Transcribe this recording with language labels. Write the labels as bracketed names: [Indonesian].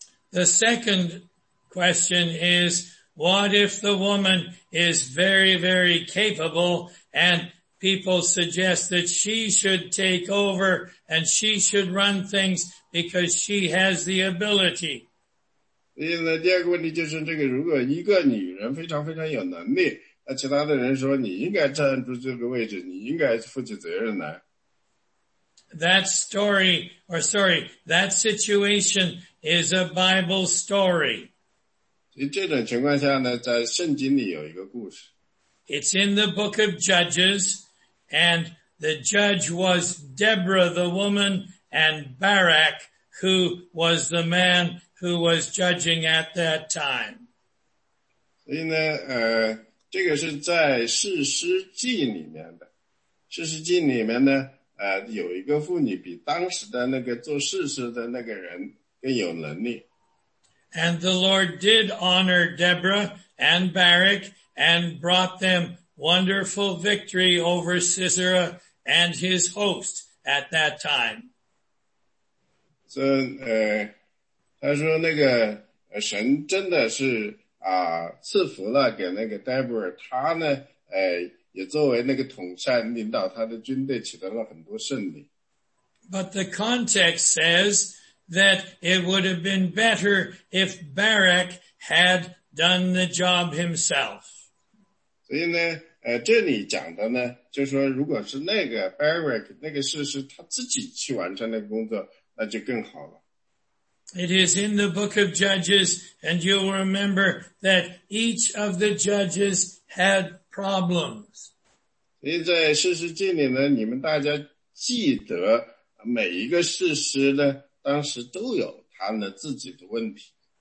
[English] The second question is, what if the woman is very, very capable and people suggest that she should take over and she should run things because she has the ability. [Chinese] 那第二个问题就是这个，如果一个女人非常非常有能力，那其他的人说你应该站住这个位置，你应该负起责任来。 [English] That situation is a Bible story. [Chinese] 所以这种情况下呢，在圣经里有一个故事。 [English] It's in the book of Judges. And the judge was Deborah the woman and Barak who was the man who was judging at that time. [Chinese] 所以呢这个是在士师记里面的。士师记里面呢有一个妇女比当时的那个做士师的那个人更有能力。 [English] And the Lord did honor Deborah and Barak and brought themWonderful victory over Sisera and his host at that time. So, [Chinese] 他说那个神真的是赐福了给那个 Deborah, 他呢也作为那个统帅领导他的军队取得了很多胜利。 [English] But the context says that it would have been better if Barak had done the job himself. [Chinese] 所以呢这里讲的呢，就说如果是那个 Barak 那个事是他自己去完成那个工作，那就更好了。 [English] It is in the book of Judges, and you'll remember that each of the judges had problems. [Chinese] 所以在士师记里呢，你们大家记得每一个士师呢，当时都有他们自己的问题。